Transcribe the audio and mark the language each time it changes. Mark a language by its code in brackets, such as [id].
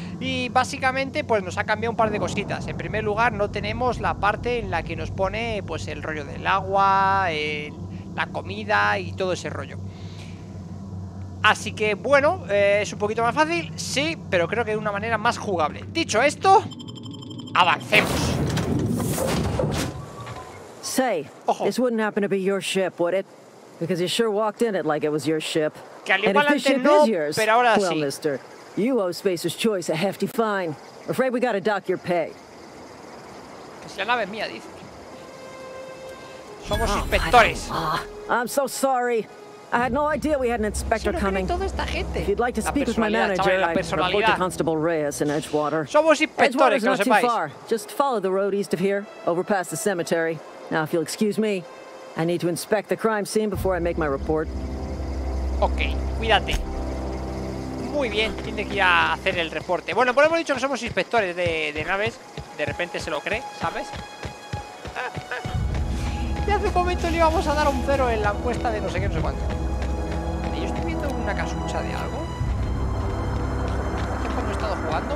[es] Y básicamente pues nos ha cambiado un par de cositas. En primer lugar, no tenemos la parte en la que nos pone pues el rollo del agua, la comida y todo ese rollo. Así que bueno, es un poquito más fácil, sí, pero creo que de una manera más jugable. Dicho esto, avancemos. [en] Say, this wouldn't happen to be your ship, would it? Because you sure walked in it like it was your ship. [es] Que al igual antes no, pero ahora sí. [en] Well, mister, you owe Spacer's Choice a hefty fine. Afraid we gotta dock your pay. [es] Que si la nave es mía, dice. Somos inspectores. [en] I'm so sorry. I had no idea we had an inspector coming. If you'd like to speak with my manager, I'd report to Constable Reyes in Edgewater. [es] Somos inspectores, [en] not too far. Just follow the road east of here, over past the cemetery. Now, if you'll excuse me, I need to inspect the crime scene before I make my report. [es] Okay, cuídate. Muy bien, tiene que ir a hacer el reporte. Bueno, pues hemos dicho que somos inspectores de naves. De repente se lo cree, ¿sabes? Y hace un momento le íbamos a dar un cero en la encuesta de no sé qué, no sé cuánto. Yo estoy viendo una casucha de algo. ¿Hace poco he estado jugando?